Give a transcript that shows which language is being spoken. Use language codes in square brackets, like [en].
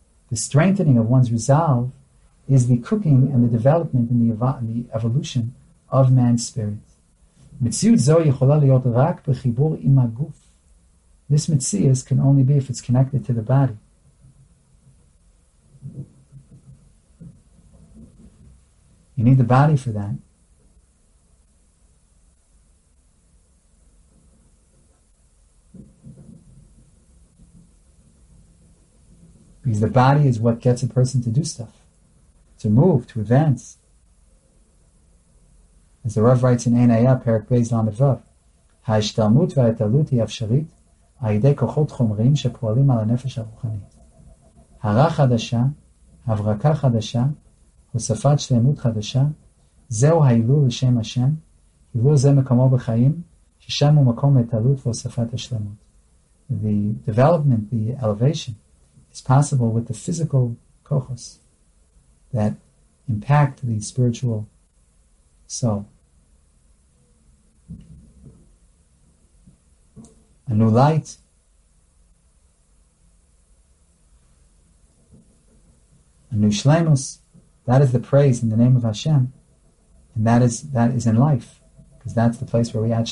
[en] The strengthening of one's resolve is the cooking and the development and the evolution of man's spirit. [he] מציאות זו יכולה להיות רק בחיבור עם הגוף. [en] This mitzvah can only be if it's connected to the body. You need the body for that. Because the body is what gets a person to do stuff, to move, to advance. As the Rav writes in Ein Hayah, Perek Beis Lamed Vav, [he] ההשתלמות וההתעלות היא אפשרית על ידי כוחות חומריים שפועלים על הנפש הרוחנית. הרה חדשה, הברקה חדשה, הוספת שלמות חדשה, זהו ההילול לשם השם, הילול זה מקומו בחיים, ששם הוא מקום ההתעלות והוספת השלמות. [en] The development, the elevation, is possible with the physical kochos that impact the spiritual So, a new light, a new shlemus, that is the praise in the name of Hashem, and that is in life, because that's the place where we add shlemus.